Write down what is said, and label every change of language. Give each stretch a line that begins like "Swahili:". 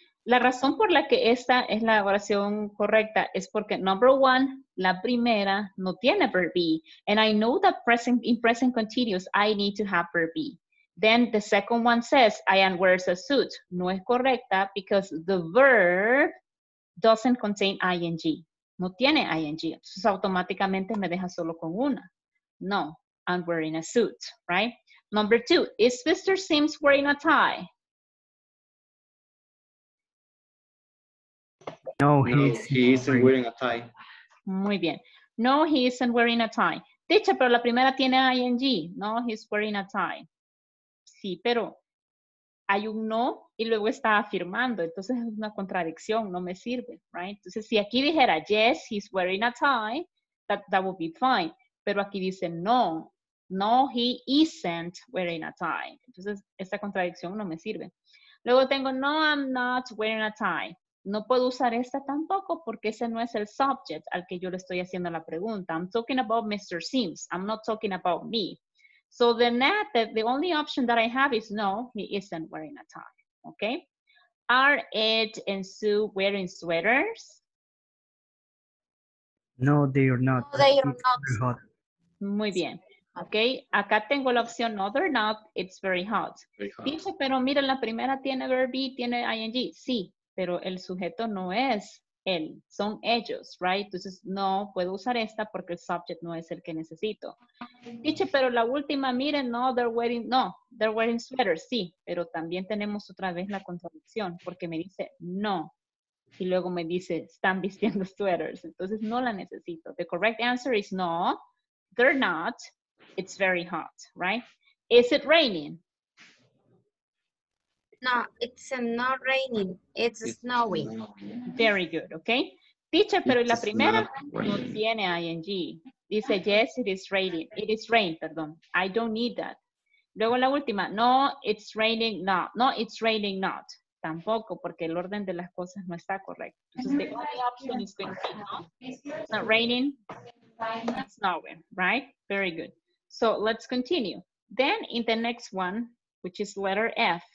Spanish: La razón por la que esta es la oración correcta es porque,
English: number one,
Spanish: la primera no tiene verb be.
English: And I know that in present continuous, I need to have verb be. Then the second one says, I am wears a suit.
Spanish: No es correcta
English: because the verb doesn't contain ing.
Spanish: No tiene ing. Entonces automáticamente me deja solo con una.
English: No, I'm wearing a suit, right? Number two, is Mr. Sims wearing a tie? No, he isn't wearing a tie.
Spanish: Muy bien.
English: No, he isn't wearing a tie.
Spanish: Dicha, pero la primera tiene ing.
English: No, he's wearing a tie.
Spanish: Sí, pero hay un no y luego está afirmando. Entonces es una contradicción, no me sirve, right? Entonces si aquí dijera,
English: yes, he's wearing a tie, that would be fine.
Spanish: Pero aquí dice no,
English: no, he isn't wearing a tie.
Spanish: Entonces esta contradicción no me sirve. Luego tengo,
English: no, I'm not wearing a tie.
Spanish: No puedo usar esta tampoco porque ese no es el subject al que yo le estoy haciendo la pregunta.
English: I'm talking about Mr. Sims. I'm not talking about me. So the only option that I have is no, he isn't wearing a tie. Okay. Are Ed and Sue wearing sweaters? No, they are not. No, they are not. Very hot.
Spanish: Muy bien. Okay. Acá tengo la opción no,
English: they're not. It's very hot. Very hot.
Spanish: Dice, pero miren, la primera tiene verb be, tiene ing. Sí. Pero el sujeto no es él, son ellos, right? Entonces, no puedo usar esta porque el subject no es el que necesito. Dice, pero la última, miren,
English: no, they're wearing sweaters,
Spanish: sí. Pero también tenemos otra vez la contradicción porque me dice no. Y luego me dice, están vistiendo sweaters. Entonces, no la necesito.
English: The correct answer is no, they're not, it's very hot, right? Is it raining? No, it's not raining. It's snowing. Very good, okay?
Spanish: Teacher, pero la primera no tiene ing. Dice,
English: yes, it is raining. It is rain,
Spanish: perdón.
English: I don't need that.
Spanish: Luego la última,
English: no, it's raining not. No, it's raining not.
Spanish: Tampoco, porque el orden de las cosas no está correcto. Entonces,
English: the only option is going to be no. It's not raining, it's snowing, right? Very good. So, let's continue. Then, in the next one, which is letter F.